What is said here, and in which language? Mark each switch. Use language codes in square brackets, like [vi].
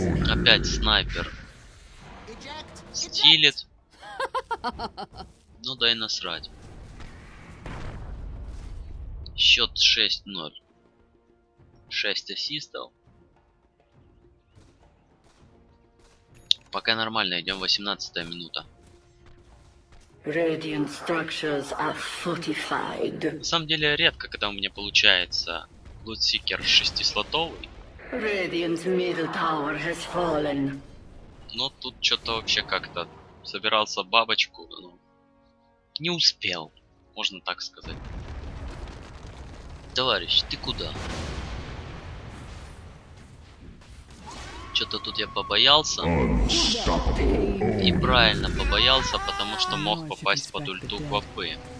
[ru] Опять снайпер стилит. Ну дай насрать. Счет 6-0. 6 ассистов. Пока нормально идем, 18-я минута. [en] Radiant structures are fortified. [ru] На самом деле редко, когда у меня получается лутсикер 6-слотовый. [en] Radiant's middle tower has fallen. [ru] Но тут что-то вообще как-то собирался бабочку, но не успел, можно так сказать. Товарищ, ты куда? Что-то тут я побоялся. И правильно побоялся, потому что мог попасть под ульту Квапы.